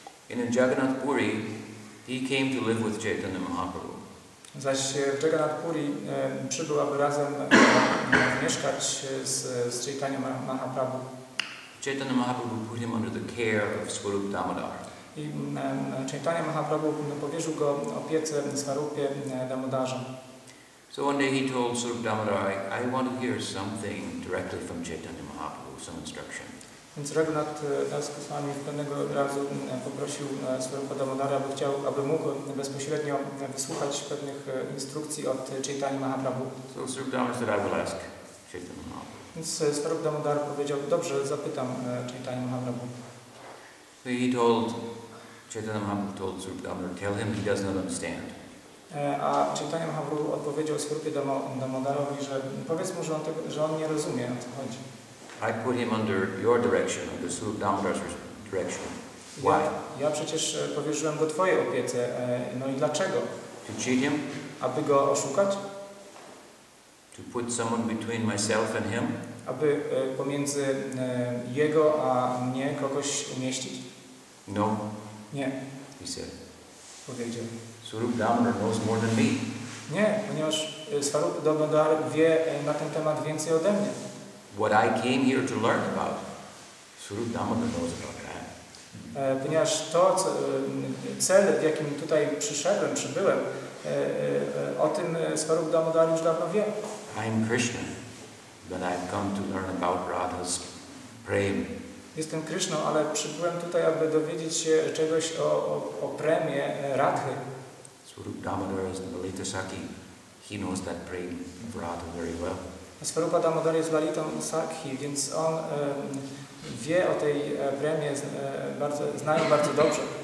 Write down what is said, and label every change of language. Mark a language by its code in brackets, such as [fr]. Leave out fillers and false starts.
[en] In Jagannath Puri, he came to live with Chaitanya Mahaprabhu. [pl] Zaś w Jagannath Puri przybył, aby razem mieszkać z Chaitanya Mahaprabhu. [en] Chaitanya Mahaprabhu put him under the care of Swarup Damodar. [pl] I Chaitanya Mahaprabhu powierzył go opiece Swarupie Damodarze. [en] So one day he told Swarup Damodar, I want to hear something directly from Chaitanya Mahaprabhu, some instruction. [pl] Więc Raghunath Das Goswami pewnego razu poprosił Swarupa Damodara, aby mógł bezpośrednio wysłuchać pewnych instrukcji od Chaitanya Mahaprabhu. [en] So Swarup Damodar said, I will ask Chaitanya Mahaprabhu. [pl] Więc Swarup Damodar powiedział, dobrze, zapytam Chaitanya Mahaprabhu. [en] So he told, Chaitanya Mahaprabhu told Swarup Damodar, tell him he does not understand. [pl] A Chaitanya Mahaprabhu odpowiedział Swarupie Damodarowi, że powiedz mu, że on nie rozumie, o co chodzi. [en] I put him under your direction, under Swarup Damodar's direction. Why? [pl] Ja przecież powierzyłem go twojej opiece. No i dlaczego? [en] To cheat him? [pl] Aby go oszukać? [en] To put someone between myself and him? [pl] Aby pomiędzy jego a mnie kogoś umieścić? [en] No. [pl] Nie. [en] He said. [pl] Powiedział. [en] Swarup Damodar knows more than me. [pl] Nie, ponieważ Swarup Damodar wie na ten temat więcej ode mnie. [en] What I came here to learn about, Swarup Damodar knows about that. [pl] Ponieważ to, co, cel, w jakim tutaj przyszedłem, przybyłem, o tym Swarup Damodar już dawno wie. [en] I am Krishna, but I've come to learn about Radha's prem. [pl] Jestem Krishna, ale przybyłem tutaj, aby dowiedzieć się czegoś o premie Radhy. [en] Swarup Damodar is the Lalita Sakhi. He knows that prem of Radha very well. [pl] Swarupa Damodar jest Lalitą Sakhi, więc on wie o tej premie, zna ją bardzo dobrze.